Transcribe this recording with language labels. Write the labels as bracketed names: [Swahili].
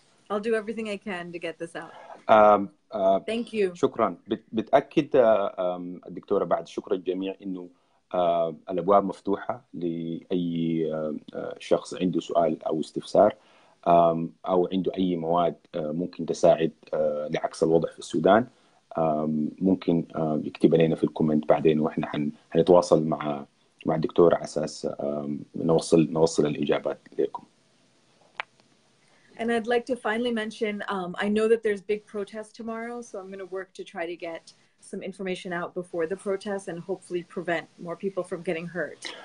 [English] I'll do everything I can to get this out. Thank you. [Arabic] شكراً. بتأكد الدكتورة بعد شكر الجميع إنه الأبواب مفتوحة لأي شخص عنده سؤال أو استفسار. أو عنده أي مواد ممكن تساعد لعكس الوضع في السودان ممكن يكتب علينا في الكومنت بعدين وإحنا هنتواصل مع الدكتور على أساس نوصل الإجابات لكم. [English] And I'd like to finally mention, I know that there's big protests tomorrow, so I'm going to work to try to get some information out before the protests and hopefully prevent more people from getting hurt.